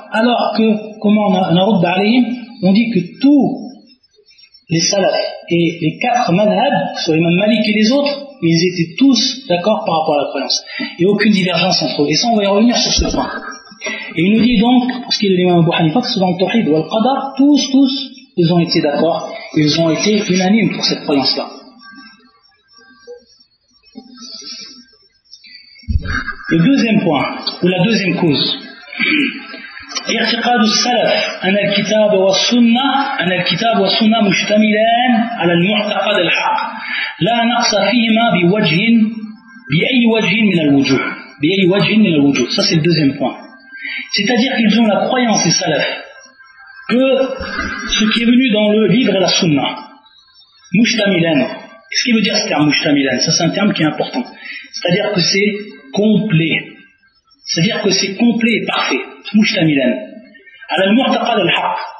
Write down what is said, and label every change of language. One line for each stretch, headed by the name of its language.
French: Alors que, comment on a
Arabic: rudd alayhim,
French: on dit que tous les salaf et les quatre madhab, soit l'imam Malik et les autres, ils étaient tous d'accord par rapport à la croyance. Et aucune divergence entre eux. Et ça, on va y revenir sur ce point. Et il nous dit donc, pour ce qui est de l'imam Abu Hanifa, que ce soit le tawhid ou le qadar, tous, ils ont été d'accord. Ils ont été unanimes pour cette croyance-là. Le deuxième point, ou la deuxième cause,
Arabic: اعتقاد السلف أن الكتاب والسنة أن الكتاب والسنة مشتملان على المعتقد الحق لا نقص فيهما بوجه بأي وجه من الوجوه بأي وجه من الوجوه.
French: Ça c'est le deuxième point. C'est-à-dire qu'ils ont la croyance des salaf que ce qui est venu dans le livre et la sunna مشتملان. Qu'est-ce qui veut dire ce terme مشتملان? Ça c'est un terme qui est important. C'est-à-dire que c'est complet. C'est-à-dire que c'est complet et parfait. Mouchtamilan. Alors, le mu'taqad al-haq.